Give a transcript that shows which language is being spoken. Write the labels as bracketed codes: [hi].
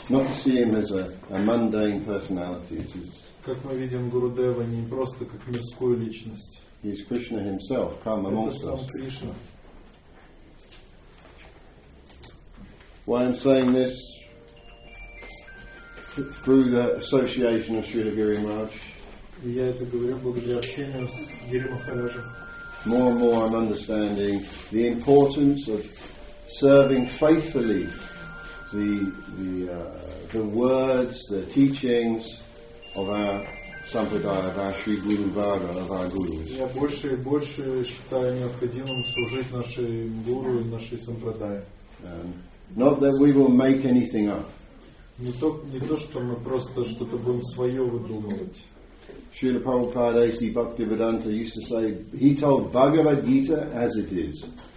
[en] Not to see him as a mundane personality. [ru] Как мы видим Гурудева не просто как мирскую личность. [en] He is Krishna himself, come amongst us. Krishna. Why I'm saying this through the association of Sridhar Giri Maharaj. [ru] Я это говорю благодаря общению с Гири Махараджем. [en] More and more I'm understanding the importance of serving faithfully the words, the teachings of our sampradaya, of our Sri Guru Vara, of our gurus. [ru] Я больше и больше считаю необходимым служить нашей гуру и нашей сампрадае. [en] Not that we will make anything up. [ru] Не то, что мы просто что-то будем свое выдумывать. [en] Srila Prabhupada A.C. Bhaktivedanta used to say, he told Bhagavad Gita as it is.